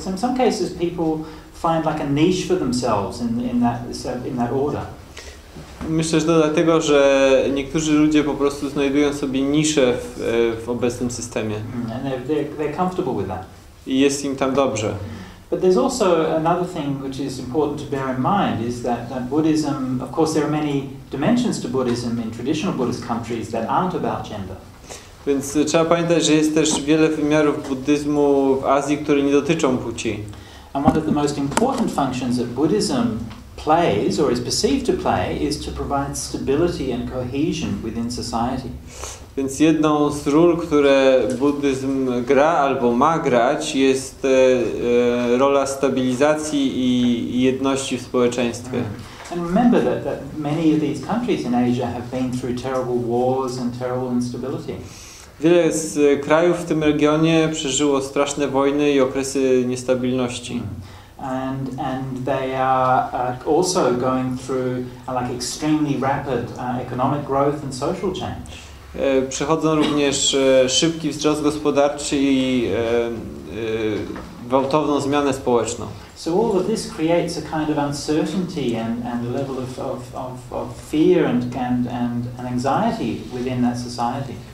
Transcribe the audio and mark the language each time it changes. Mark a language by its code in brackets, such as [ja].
[en] So in some cases people find like a niche for themselves in that order. [pl] Myślę, że to dlatego, że niektórzy ludzie po prostu znajdują sobie nisze w obecnym systemie. [en] And they're comfortable with that. [pl] I jest im tam dobrze. [en] But there's also another thing which is important to bear in mind is that Buddhism, of course there are many dimensions to Buddhism in traditional Buddhist countries that aren't about gender. [pl] Więc trzeba pamiętać, że jest też wiele wymiarów buddyzmu w Azji, które nie dotyczą płci. [en] And one of the most important functions that Buddhism plays or is perceived to play is to provide stability and cohesion within society. [pl] Więc jedną z ról, które buddyzm gra albo ma grać, jest rola stabilizacji i jedności w społeczeństwie. [en] And remember that, that many of these countries in Asia have been through terrible wars and terrible instability. [pl] Wiele z krajów w tym regionie przeżyło straszne wojny i okresy niestabilności. [en] And they are also going through like extremely rapid economic growth and social change. [pl] Przechodzą również szybki wzrost gospodarczy i gwałtowną zmianę społeczną. [en] So all of this creates a kind of uncertainty and a level of fear and anxiety within that society.